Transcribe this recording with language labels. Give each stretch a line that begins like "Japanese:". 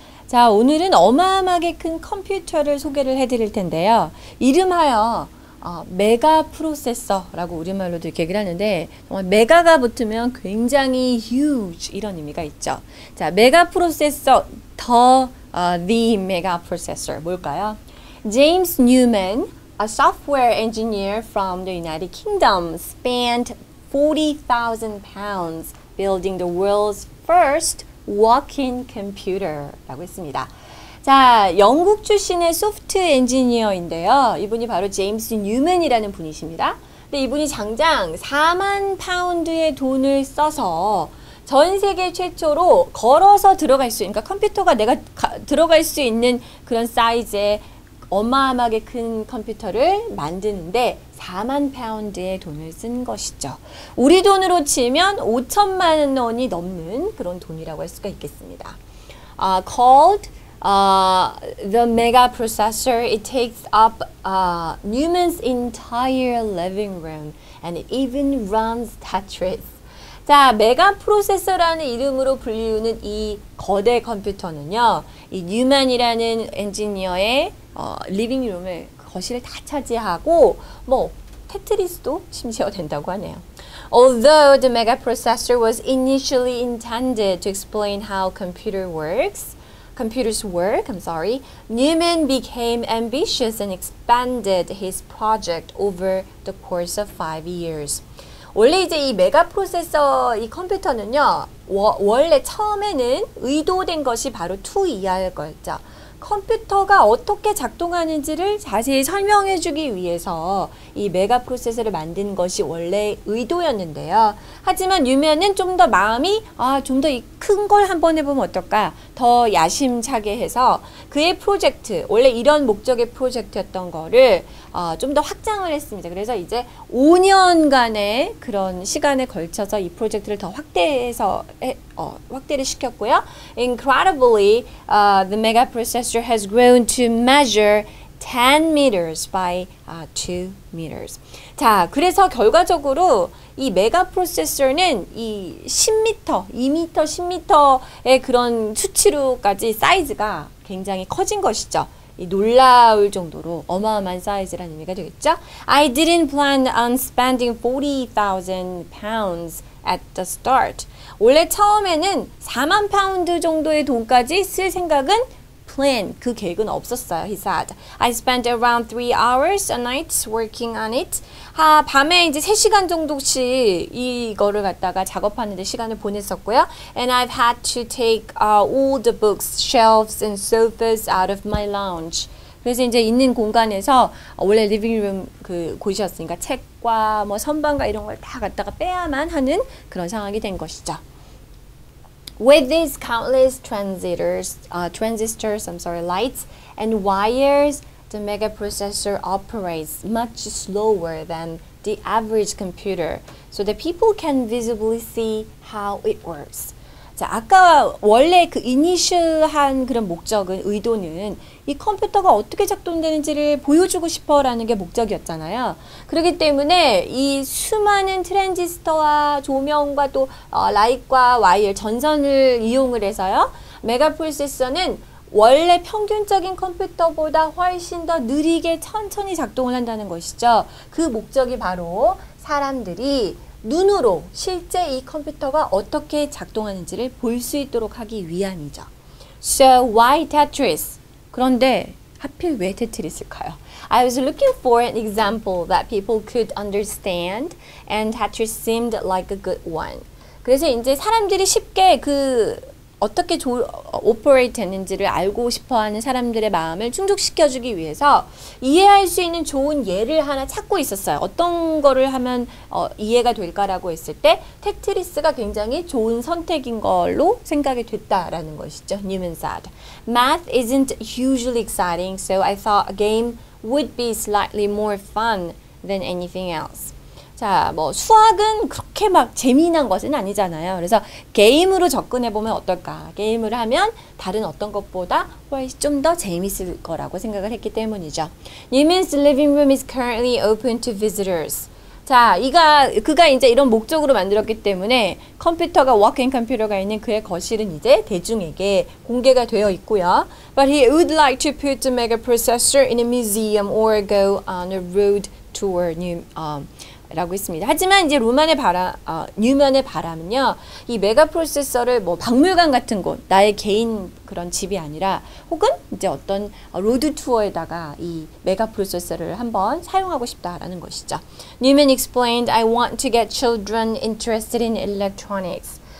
Korean: 자, 오늘은 어마어마하게 큰 컴퓨터를 소개를 해드릴 텐데요. 이름하여 메가 프로세서라고 우리말로도 이렇게 얘기를 하는데, 정말 메가가 붙으면 굉장히 huge 이런 의미가 있죠. 자, 메가 프로세서, the 메가 프로세서 뭘까요?
English: James Newman, a software engineer from the United Kingdom, spent 40,000 pounds building the world's first walk-in computer
Korean: 라고 했습니다. 자, 영국 출신의 소프트 엔지니어인데요. 이분이 바로 제임스 뉴맨이라는 분이십니다. 근데 이분이 장장 4만 파운드의 돈을 써서 전 세계 최초로 걸어서 들어갈 수 있는, 그러니까 컴퓨터가 내가 들어갈 수 있는 그런 사이즈의 어마어마하게 큰 컴퓨터를 만드는데 4만 파운드의 돈을 쓴 것이죠. 우리 돈으로 치면 5천만 원이 넘는 그런 돈이라고 할 수가 있겠습니다.
English: Called the mega processor, it takes up Newman's entire living room and it even runs Tetris.
Korean: 자, 메가 프로세서라는 이름으로 불리우는 이 거대 컴퓨터는요, 이 뉴만이라는 엔지니어의 리빙룸을, 거실을 다 차지하고, 뭐, 테트리스도 심지어 된다고 하네요.
English: Although the mega processor was initially intended to explain how computers work, I'm sorry, Newman became ambitious and expanded his project over the course of 5 years.
Korean: 원래 이제 이 메가 프로세서 이 컴퓨터는요, 원래 처음에는 의도된 것이 바로 2E였죠. 컴퓨터가 어떻게 작동하는지를 자세히 설명해주기 위해서 이 메가 프로세서를 만든 것이 원래 의도였는데요. 하지만 뉴맨은 좀더 마음이, 아, 좀더이큰걸 한번 해보면 어떨까? 더 야심차게 해서 그의 프로젝트, 원래 이런 목적의 프로젝트였던 거를 좀더 확장을 했습니다. 그래서 이제 5년간의 그런 시간에 걸쳐서 이 프로젝트를 더 확대를 시켰고요.
English: Incredibly, the mega processor has grown to measure 10 meters by 2 meters.
Korean: 자, 그래서 결과적으로 이 메가 프로세서는 이 10m, 2m, 10m의 그런 수치로까지 사이즈가 굉장히 커진 것이죠. 이 놀라울 정도로 어마어마한 사이즈라는 의미가 되겠죠?
English: I didn't plan on spending 40,000 pounds at the start.
Korean: 원래 처음에는 4만 파운드 정도의 돈까지 쓸 생각은 plan, 그 계획은 없었어요.
English: He said, I spent around 3 hours a night working on it.
Korean: 밤에 이제 3시간 정도씩 이거를 갖다가 작업하는 데 시간을 보냈었고요.
English: And I've had to take all the books, shelves and sofas out of my lounge.
Korean: 그래서 이제 있는 공간에서, 원래 리빙룸 그 곳이었으니까 책과 뭐 선반과 이런 걸다 갖다가 빼야만 하는 그런 상황이 된 것이죠.
English: With these countless transistors, I'm sorry, lights and wires, the mega processor operates much slower than the average computer, so that people can visibly see how it works.
Korean: 자, 아까 원래 그 이니셜한 그런 목적은, 의도는 이 컴퓨터가 어떻게 작동되는지를 보여주고 싶어라는 게 목적이었잖아요. 그렇기 때문에 이 수많은 트랜지스터와 조명과 또 라이트와 와이어 전선을 이용을 해서요. 메가 프로세서는 원래 평균적인 컴퓨터보다 훨씬 더 느리게 천천히 작동을 한다는 것이죠. 그 목적이 바로 사람들이 눈으로 실제 이 컴퓨터가 어떻게 작동하는지를 볼수 있도록 하기 위함이죠.
English: So why Tetris?
Korean: 그런데 하필 왜 테트리스일까요?
English: I was looking for an example that people could understand, and Tetris seemed like a good one.
Korean: 그래서 이제 사람들이 쉽게 그 어떻게 오퍼레이트 했는지를 알고 싶어하는 사람들의 마음을 충족시켜주기 위해서 이해할 수 있는 좋은 예를 하나 찾고 있었어요. 어떤 거를 하면 이해가 될까라고 했을 때 테트리스가 굉장히 좋은 선택인 걸로 생각이 됐다라는 것이죠.
English: Newman said, "Math isn't hugely exciting, so I thought a game would be slightly more fun than anything else."
Korean: 자, 뭐, 수학은 그렇게 막 재미난 것은 아니잖아요. 그래서 게임으로 접근해보면 어떨까? 게임을 하면 다른 어떤 것보다 훨씬 좀더 재미있을 거라고 생각을 했기 때문이죠.
English: Newman's living room is currently open to visitors.
Korean: 자, 이가 그가 이제 이런 목적으로 만들었기 때문에 컴퓨터가 워킹 컴퓨터가 있는 그의 거실은 이제 대중에게 공개가 되어 있고요.
English: But he would like to put the mega processor in a museum or go on a road tour.
Korean: 라고 있습니다. 하지만 이제 뉴먼의 바람은요, 이 메가 프로세서를 뭐 박물관 같은 곳, 나의 개인 그런 집이 아니라, 혹은 이제 어떤 로드 투어에다가 이 메가 프로세서를 한번 사용하고 싶다라는 것이죠.
English: 뉴먼 explained, I want to get children interested in electronics.